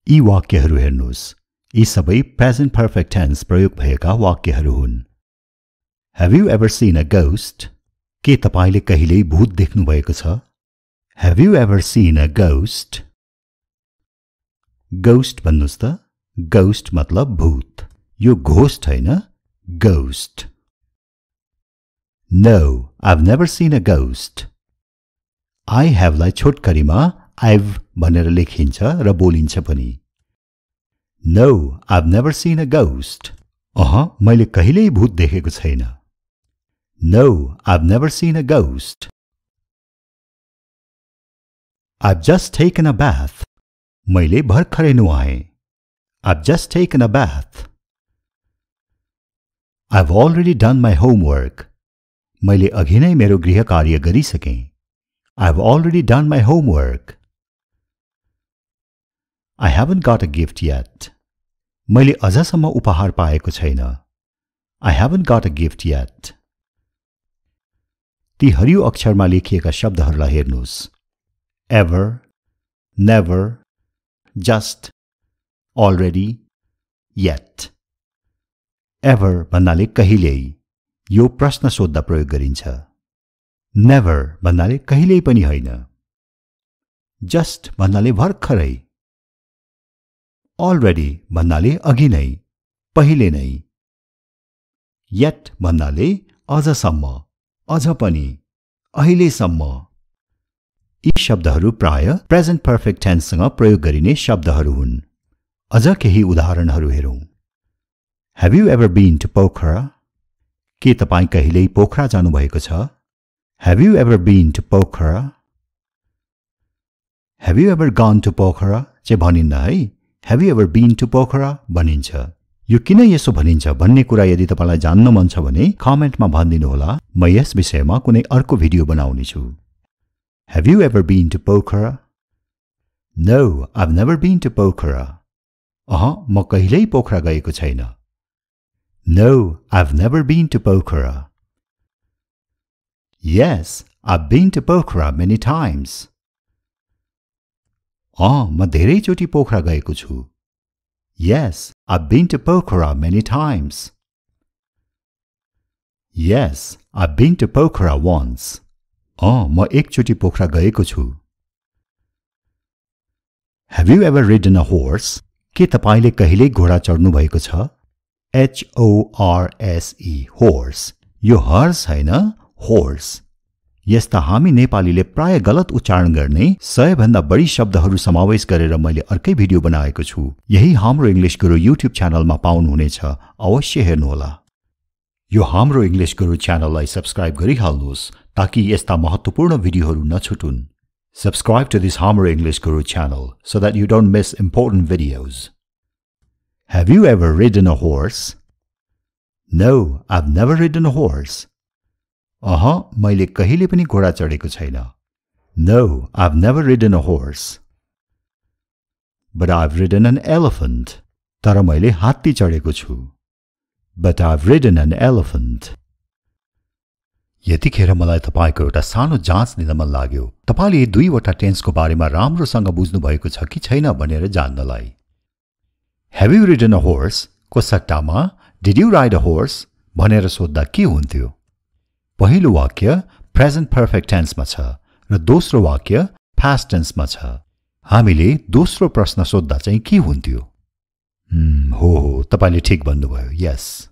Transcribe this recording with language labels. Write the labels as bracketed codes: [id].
[ne] यी वाक्यहरू हेर्नुहोस्। यी सबै प्रेजेन्ट पर्फेक्ट टेन्स प्रयोग भएका वाक्यहरू हुन्। [en] Have you ever seen a ghost? [ne] के तपाईँले कहिल्यै भूत देख्नुभएको छ? [en] Have you ever seen a ghost? [ne] Ghost भन्नुहोस् त, ghost मतलब भूत। यो घोस्ट होइन, ghost। [en] No, I've never seen a ghost. [ne] I have लाई छोटकरीमा I've भनेर लेखिन्छ र बोलिन्छ पनि। [en] No, I've never seen a ghost. [ne] अह, मैले कहिल्यै भूत देखेको छैन। [en] No, I've never seen a ghost. I've just taken a bath. [ne] मैले भर्खरै नुहाए। [en] I've just taken a bath. I've already done my homework. [ne] मैले अघि नै मेरो गृह कार्य गरिसकेँ। [en] I've already done my homework. I haven't got a gift yet. [ne] मैले अझसम्म उपहार पाएको छैन। [en] I haven't got a gift yet. [ne] ती हरियो अक्षरमा लेखिएका शब्दहरूलाई हेर्नुहोस्। [en] Ever, never, just, already, yet. [ne] Ever भन्नाले कहिल्यै, यो प्रश्न सोध्दा प्रयोग गरिन्छ। Never भन्नाले कहिल्यै पनि होइन। Just भन्नाले भर्खरै। Already भन्नाले अघि नै, पहिले नै। Yet भन्नाले अझसम्म, अझ पनि, अहिलेसम्म। यी शब्दहरू प्राय प्रेजेन्ट पर्फेक्ट टेन्ससँग प्रयोग गरिने शब्दहरू हुन्। अझ केही उदाहरणहरू हेरौँ। [en] Have you ever been to Pokhara? [ne] के तपाईँ कहिल्यै पोखरा जानुभएको छ? [en] Have you ever been to Pokhara? Have you ever gone to Pokhara? [ne] चाहिँ भनिन्न है, [en] Have you ever been to Pokhara? [ne] भनिन्छ। यो किन यसो भनिन्छ भन्ने कुरा यदि तपाईँलाई जान्न मन छ भने कमेन्टमा भनिदिनुहोला, म यस विषयमा कुनै अर्को video बनाउनेछु। [en] Have you ever been to Pokhara? No, I've never been to Pokhara. [ne] अह, म कहिल्यै पोखरा गएको छैन। [en] No, I've never been to Pokhara. Yes, I've been to Pokhara many times. [ne] अह, म धेरै चोटि पोखरा गएको छु। [en] Yes, I've been to Pokhara many times. Yes, I've been to Pokhara once. [ne] अँ, म एकचोटि पोखरा गएको छु। [en] Have you ever ridden a horse? [ne] के तपाईँले कहिल्यै घोडा चढ्नुभएको छ? [en] H-O-R-S-E, horse. [ne] यो हर्स होइन, horse. यस्ता हामी नेपालीले प्राय गलत उच्चारण गर्ने 100 भन्दा बढी शब्दहरू समावेश गरेर मैले अर्कै भिडियो बनाएको छु। यही हाम्रो इङ्ग्लिस गुरु युट्युब च्यानलमा पाउनुहुनेछ, अवश्य हेर्नुहोला। यो हाम्रो इङ्ग्लिस गुरु च्यानललाई सब्सक्राइब गरिहाल्नुहोस् ताकि यस्ता महत्त्वपूर्ण भिडियोहरू नछुटुन्। [en] Subscribe to this हाम्रो English Guru channel so that you don't miss important videos. Have you ever ridden a horse? No, I've never ridden a horse. [ne] अह, मैले कहिले पनि घोडा चढेको छैन। [en] No, I've never ridden a horse. But I've ridden an elephant. [ne] तर मैले हात्ती चढेको छु। [en] But I've ridden an elephant. [ne] यतिखेर मलाई तपाईँको एउटा सानो जाँच दिन मन लाग्यो, तपाईँले दुईवटा टेन्सको बारेमा राम्रोसँग बुझ्नुभएको छ कि छैन भनेर जान्नलाई। [en] Have you ridden a horse? [ne] को सट्टामा [en] Did you ride a horse? [ne] भनेर सोद्धा के हुन्थ्यो? पहिलो वाक्य प्रेजेन्ट पर्फेक्ट टेन्समा छ र दोस्रो वाक्य पास्ट टेन्समा छ। हामीले दोस्रो प्रश्न सोद्धा चाहिँ के हुन्थ्यो? हो हो, तपाईँले ठिक भन्नुभयो, यस।